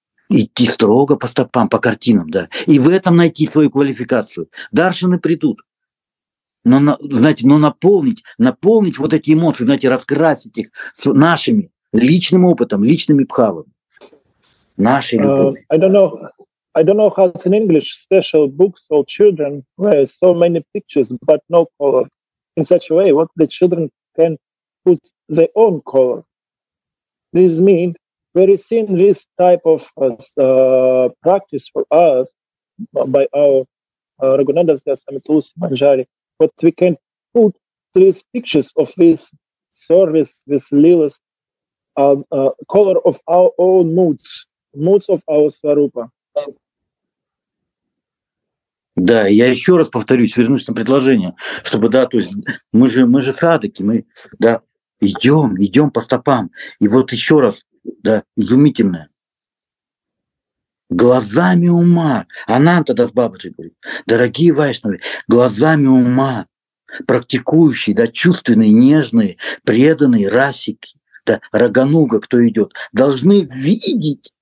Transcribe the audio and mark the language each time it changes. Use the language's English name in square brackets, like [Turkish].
[Russian] Идти строго по стопам, по картинам, да, и в этом найти свою квалификацию. Даршины придут, но наполнить вот эти эмоции, знаете, раскрасить их с нашими личным опытом, личными бхавами, нашей любовью. [English] I don't know how it's in English, special books for children where so many pictures but no color. In such a way, what the children can put their own color. This means we're seeing this type of practice for us by our Raghunandas Goswami Tulasi Manjari, but we can put these pictures of this service, this lilas, color of our own moods of our Svarupa. [Russian] Да, я еще раз повторюсь, вернусь на предложение, чтобы, да, то есть мы же садыки, мы, да, идем по стопам. И вот еще раз, да, изумительное. Глазами ума, Ананта Дас Бабаджи говорит, дорогие вайшнавы, глазами ума, практикующие, да, чувственные, нежные, преданные расики, да, Рагануга, кто идет, должны видеть.